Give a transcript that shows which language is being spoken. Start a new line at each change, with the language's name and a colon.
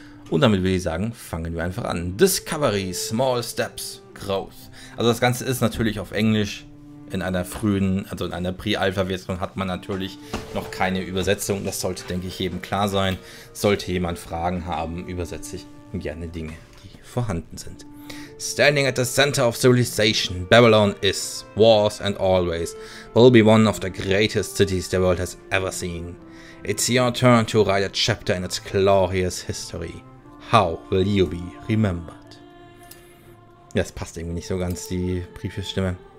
German: Und damit würde ich sagen, fangen wir einfach an. Discovery, Small Steps, Growth. Also das Ganze ist natürlich auf Englisch. In einer Pre-Alpha-Version hat man natürlich noch keine Übersetzung. Das sollte, denke ich, jedem klar sein. Sollte jemand Fragen haben, übersetze ich gerne Dinge, die vorhanden sind.
English: Standing at the center of civilization, Babylon is, was and always, will be one of the greatest cities the world has ever seen. It's your turn to write a chapter in its glorious history. How will you be remembered?
German: Das passt irgendwie nicht so ganz, die Briefestimme.